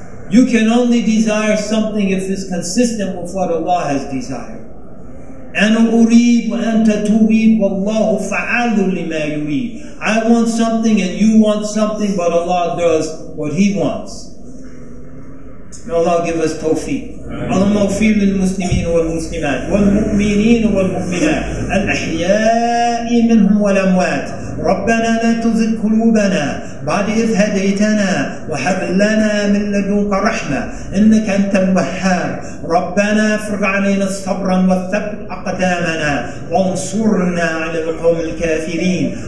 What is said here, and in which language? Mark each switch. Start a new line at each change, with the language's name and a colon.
English: You can only desire something if it's consistent with what Allah has desired.
Arabic: أَنَا أُرِيدُ أَن تَتُوبِيدُ وَاللَّهُ فَعَالُ لِمَا يُرِيدُ.
English: I want something and you want something, but Allah does what He wants. May Allah give us tawfiq.
Arabic: اللهم اغفر للمسلمين والمسلمات والمؤمنين والمؤمنات الأحياء منهم والأموات ربنا لا تزغ قلوبنا بعد إذ هديتنا وهب لنا من لدنك رحمة إنك أنت الوهاب ربنا افرغ علينا صبرا وثبت أقدامنا وانصرنا على القوم الكافرين